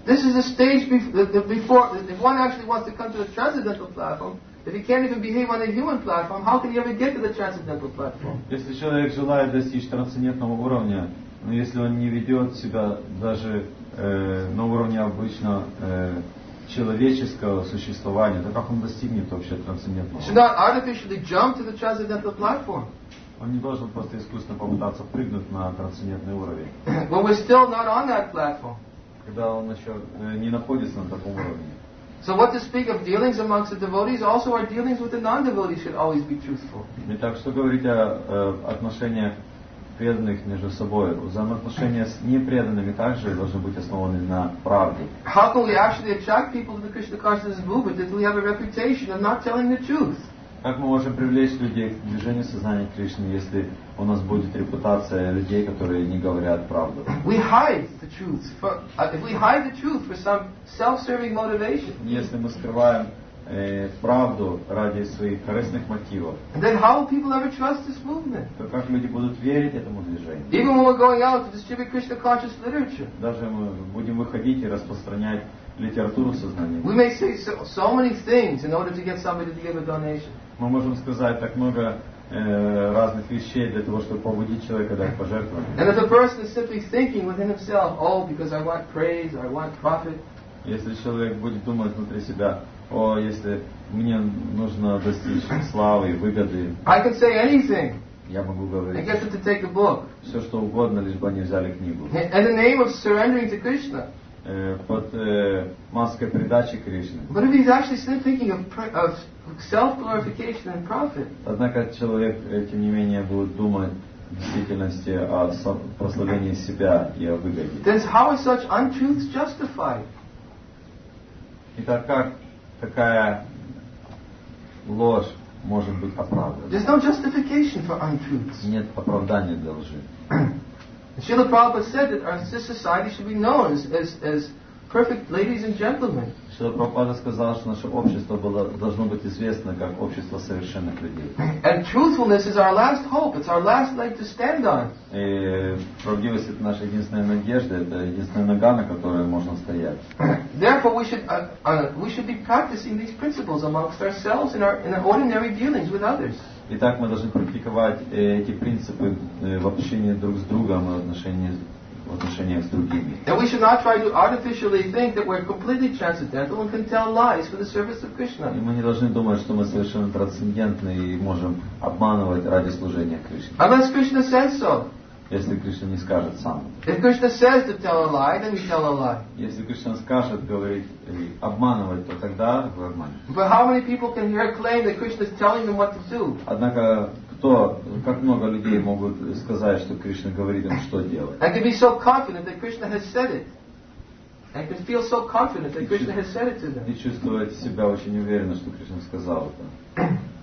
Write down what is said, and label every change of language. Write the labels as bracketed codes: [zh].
[en] This is a stage before if one actually wants to come to the transcendental platform, if he can't even behave on a human platform, how can he ever get to the transcendental platform? [ru] Если человек желает достичь трансцендентного уровня, но если он не ведет себя даже на уровне обычно человеческого существования, то как он достигнет вообще трансцендентного? [en] Should not artificially jump to the transcendental platform. [ru] Он не должен просто искусственно попытаться прыгнуть на трансцендентный уровень. [en] But we're still not on that platform. [ru] Когда он еще не находится на таком уровне. [en] So what to speak of dealings amongst the devotees, also our dealings with the non-devotees should always be truthful. [ru] Итак, что говорить о отношениях преданных между собой? Взаимоотношения с непреданными также должны быть основаны на правде. [en] How can we actually attract people to the Krishna consciousness movement if we have a reputation of not telling the truth? [ru] Как мы можем привлечь людей к движению сознания Кришны, если у нас будет репутация людей, которые не говорят правду? [en] We hide the truth. If we hide the truth for some self-serving motivation. [ru] Если мы скрываем правду ради своих корыстных мотивов. [en] Then how will people ever trust this movement? [ru] То как люди будут верить этому движению? [en] Even when we're going out to distribute Krishna conscious literature. [ru] Даже мы будем выходить и распространять литературу сознания. [en] We may say so many things in order to get somebody to give a donation. [ru] Мы можем сказать так много разных вещей для того, чтобы побудить человека дать пожертвование. [en] And if the person is simply thinking within himself, oh, because I want praise, I want profit. [ru] Если человек будет думать внутри себя, о, если мне нужно достичь славы, выгоды. [en] I can say anything. [ru] Я могу говорить. [en] I get them to take a book. [ru] Все что угодно, лишь бы они взяли книгу. [en] In the name of surrendering to Krishna. [ru] Под маской предачи Кришны. [en] But if he's actually still thinking of self-glorification and profit. [ru] Однако человек, тем не менее, будет думать в действительности о прославлении себя и о выгоде. [en] Then how is such untruths justified? [ru] Итак, как такая ложь может быть оправдано. [en] There's no justification for untruths. [ru] Нет оправдания для лжи. [en] Srila Prabhupada said that our society should be known as perfect ladies and gentlemen. [ru] Srila Prabhupada сказал, что наше общество должно быть известно как общество совершенных людей. [en] And truthfulness is our last hope. It's our last leg to stand on. [ru] И правдивость — это наша единственная надежда, это единственная нога, на которой можно стоять. [en] Therefore, we should be practicing these principles amongst ourselves in our ordinary dealings with others. [ru] Итак, мы должны практиковать эти принципы в общении друг с другом, в отношениях с другими. [en] And we should not try to artificially think that we're completely transcendental and can tell lies for the service of Krishna. [ru] И мы не должны думать, что мы совершенно трансцендентны и можем обманывать ради служения Кришне. [en] Unless Krishna says so. [ru] Если Кришна не скажет сам. [en] If Krishna says to tell a lie, then you tell a lie. [ru] Если Кришна скажет говорить обманывать, то тогда вы обманете. [en] But how many people can hear a claim that Krishna is telling them what to do? [ru] Однако кто, как много людей могут сказать, что Кришна говорит им, что делать? [en] And can be so confident that Krishna has said it. And can feel so confident that Krishna has said it to them. [ru] И чувствовать себя очень уверенно, что Кришна сказал это.